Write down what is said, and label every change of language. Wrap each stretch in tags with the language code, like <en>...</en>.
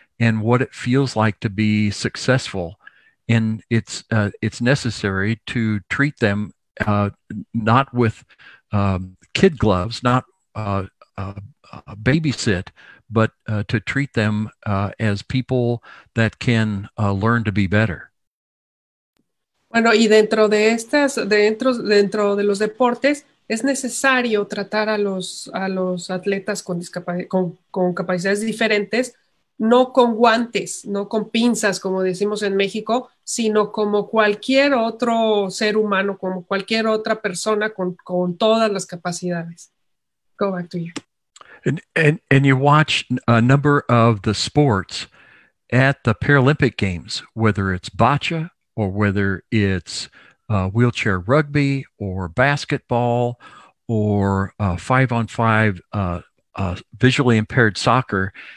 <en>and what it feels like to be successful. And it's necessary to treat them not with kid gloves, not babysit, but to treat them as people that can learn to be better.</en> <es>Bueno, y dentro de los deportes, es necesario tratar a los atletas con capacidades diferentes, no con guantes, no con pinzas, como decimos en México, sino como cualquier otro ser humano, como cualquier otra persona con todas las capacidades.</es> <en>Go back to you. And you watch a number of the sports at the Paralympic Games, whether it's boccia or whether it's wheelchair rugby or basketball or five-on-five visually impaired soccer.</en>